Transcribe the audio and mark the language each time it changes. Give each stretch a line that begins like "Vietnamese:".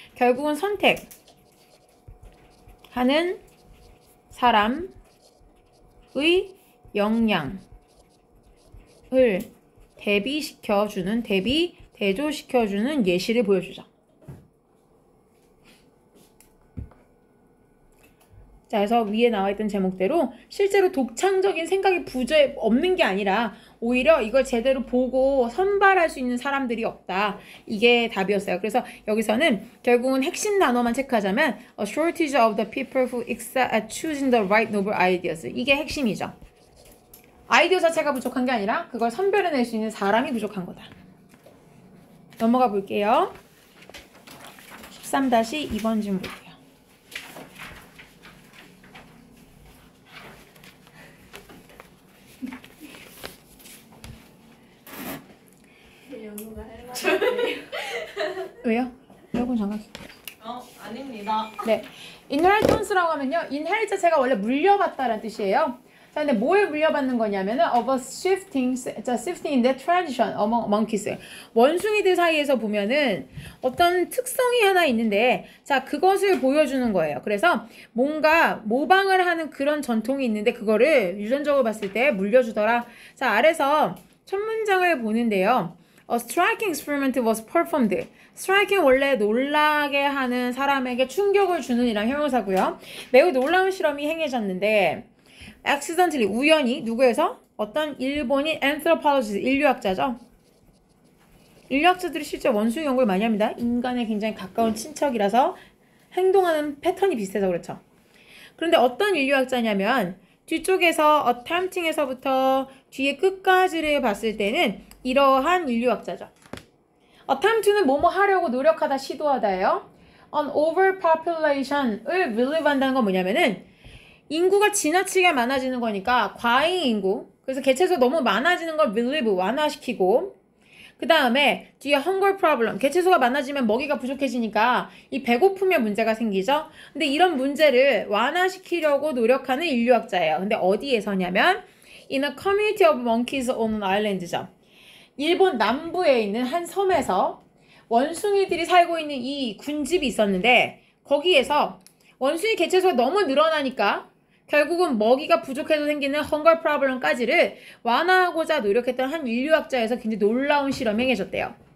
Korean: 결국은 선택하는 사람의 역량을 대비시켜주는, 대비, 대조시켜주는 예시를 보여주죠. 자, 그래서 위에 나와있던 제목대로 실제로 독창적인 생각이 부재 없는 게 아니라 오히려 이걸 제대로 보고 선발할 수 있는 사람들이 없다. 이게 답이었어요. 그래서 여기서는 결국은 핵심 단어만 체크하자면
English: A shortage of the people who excel at choosing the right noble ideas.
Korean: 이게 핵심이죠. 아이디어 자체가 부족한 게 아니라 그걸 선별해낼 수 있는 사람이 부족한 거다. 넘어가 볼게요. 13-2번 질문 볼게요. 왜요? 여러분 잠깐. 아닙니다. 네, inheritance라고 하면요, inherit 자체가 원래 물려받다라는 뜻이에요. 자, 근데 뭐에 물려받는 거냐면은
English: of a shifting, shifting in the tradition among monkeys.
Korean: 원숭이들 사이에서 보면은 어떤 특성이 하나 있는데, 자, 그것을 보여주는 거예요. 그래서 뭔가 모방을 하는 그런 전통이 있는데 그거를 유전적으로 봤을 때 물려주더라. 자, 아래서 첫 문장을 보는데요.
English: A striking experiment was performed.
Korean: Striking 원래 놀라게 하는 사람에게 충격을 주는 이란 형용사고요. 매우 놀라운 실험이 행해졌는데, accidentally 우연히 누구에서? 어떤 일본인 anthropologist 인류학자죠. 인류학자들이 실제 원숭이 연구를 많이 합니다. 인간에 굉장히 가까운 친척이라서 행동하는 패턴이 비슷해서 그렇죠. 그런데 어떤 인류학자냐면 뒤쪽에서 attempting에서부터 뒤에 끝까지를 봤을 때는 이러한 인류학자죠. Attempt to는 뭐뭐 하려고 노력하다, 시도하다예요. An overpopulation을 believe 한다는 건 뭐냐면은 인구가 지나치게 많아지는 거니까 과잉 인구, 그래서 개체수 너무 많아지는 걸 believe, 완화시키고, 그 다음에 뒤에 hunger problem, 개체수가 많아지면 먹이가 부족해지니까 이 배고픔의 문제가 생기죠. 근데 이런 문제를 완화시키려고 노력하는 인류학자예요. 근데 어디에서냐면
English: in a community of monkeys on an island죠.
Korean: 일본 남부에 있는 한 섬에서 원숭이들이 살고 있는 이 군집이 있었는데, 거기에서 원숭이 개체수가 너무 늘어나니까 결국은 먹이가 부족해서 생기는 헝거 프로블럼까지를 완화하고자 노력했던 한 인류학자에서 굉장히 놀라운 실험이 행해졌대요.